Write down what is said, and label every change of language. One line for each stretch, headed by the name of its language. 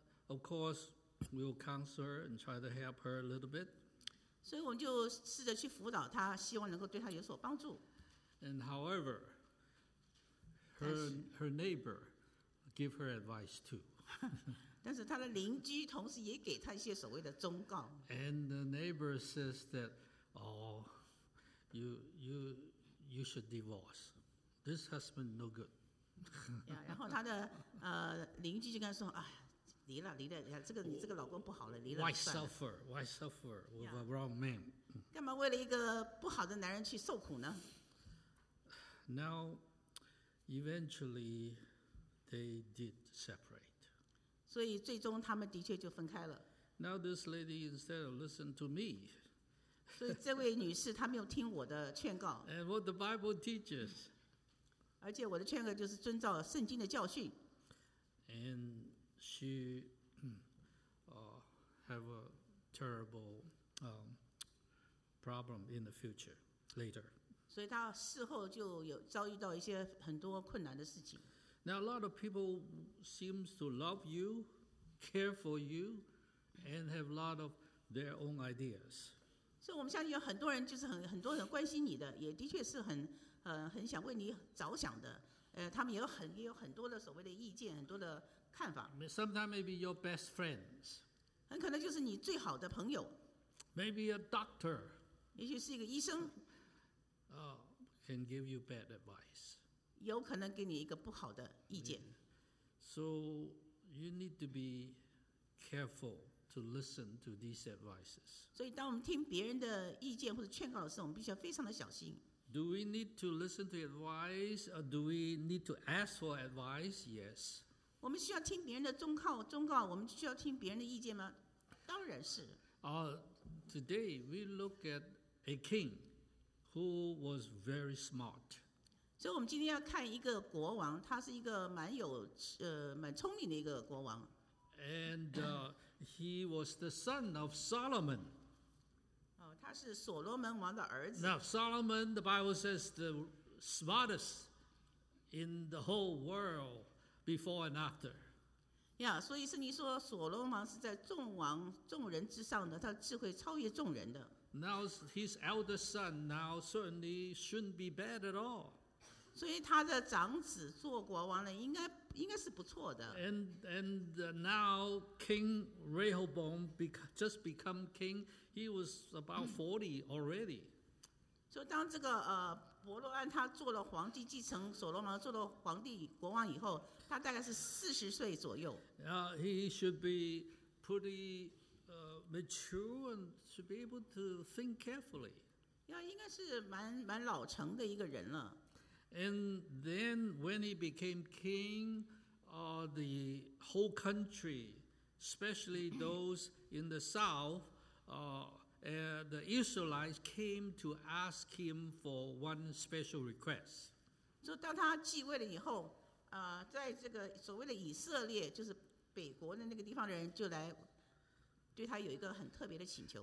English: Of course, we'll counsel her and try to help her a little bit.
Chinese: 所以我们就试着去辅导她，希望能够对她有所帮助。
English: And however, her neighbor gave her advice too.
Chinese: 但是他的邻居同时也给他一些所谓的忠告。
English: And the neighbor says that, you should divorce. This husband no good.
Chinese: 然后他的邻居就跟他说，哎，离了，离了，这个老公不好了，离了。
English: Why suffer with a wrong man?
Chinese: 干嘛为了一个不好的男人去受苦呢
English: ？Now, eventually, they did separate.
Chinese: 所以最终他们的确就分开了。
English: Now this lady instead of listen to me.
Chinese: 所以这位女士她没有听我的劝告。
English: And what the Bible teaches.
Chinese: 而且我的劝告就是遵照圣经的教训。
English: And she have a terrible problem in the future later.
Chinese: 所以她事后就有遭遇到一些很多困难的事情。
English: Now a lot of people seem to love you, care for you, and have a lot of their own ideas.
Chinese: 所以我们相信有很多人就是很多人关心你的，也的确是很想为你着想的。他们也有很多的所谓的意见，很多的看法。
English: Sometimes maybe your best friends.
Chinese: 很可能就是你最好的朋友。
English: Maybe a doctor.
Chinese: 也许是一个医生。
English: Can give you bad advice.
Chinese: 有可能给你一个不好的意见。
English: So you need to be careful to listen to these advices.
Chinese: 所以当我们听别人的意见或者劝告的时候，我们必须要非常的小心。
English: Do we need to listen to advice? Or do we need to ask for advice? Yes.
Chinese: 我们需要听别人的忠告，我们需要听别人的意见吗？当然是。
English: Today we look at a king who was very smart.
Chinese: 所以我们今天要看一个国王，他是一个蛮聪明的一个国王。
English: And he was the son of Solomon.
Chinese: 他是所罗门王的儿子。
English: Now Solomon, the Bible says, the smartest in the whole world before and after.
Chinese: Yeah, 所以圣经说所罗门王是在众人之上的，他智慧超越众人的。
English: Now his eldest son now certainly shouldn't be bad at all.
Chinese: 所以他的长子做国王呢，应该是不错的。
English: And now King Rehoboam just become king. He was about 40 already.
Chinese: 所以当这个伯罗安他做了皇帝，继承所罗门做了皇帝国王以后，他大概是40岁左右。
English: He should be pretty mature and should be able to think carefully.
Chinese: 应该是蛮老成的一个人了。
English: And then when he became king, the whole country, especially those in the south, the Israelites came to ask him for one special request.
Chinese: 就当他继位了以后，在这个所谓的以色列，就是北国的那个地方的人，就来对他有一个很特别的请求。